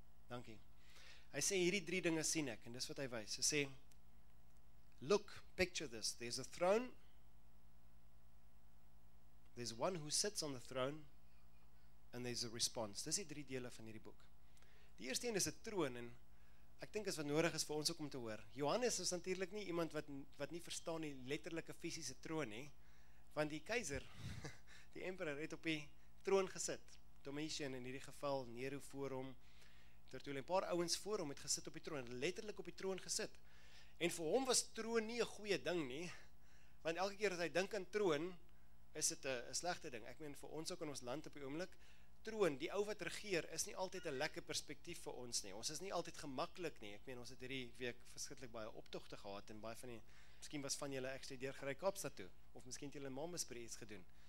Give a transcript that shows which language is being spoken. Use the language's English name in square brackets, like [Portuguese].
[Afrikaans] Dankie. Hy sê, hierdie drie dinge sien ek, en dis wat hy wys. Hy sê, [English] look, picture this, there's a throne, there's one who sits on the throne, and there's a response. [Afrikaans] Dis die drie dele van hierdie boek. Die eerste een is 'n troon, en ek dink is wat nodig is vir ons ook om te hoor. Johannes is natuurlik nie iemand wat nie verstaan die letterlike fisiese troon nie, want die keizer, die emperor, het op die troon gesit. Domitian in hierdie geval, Nero voor hom, Tertullian, een paar ouens voor hom het gesit op die troon, letterlik op die troon gesit. En vir hom was troon nie 'n goeie ding nie, want elke keer dat hy dink aan troon, is dit 'n slegte ding. Ek meen, vir ons ook in ons land op die oomblik, troon, die ou wat regeer, is nie altyd 'n lekker perspektief vir ons nie. Ons is nie altyd gemaklik nie. Ek meen, ons het hierdie week verskriklik baie optogte gehad, en baie van die, miskien was van julle actually deur gery Kaapstad toe, of miskien het julle Mamasbreeds gedoen.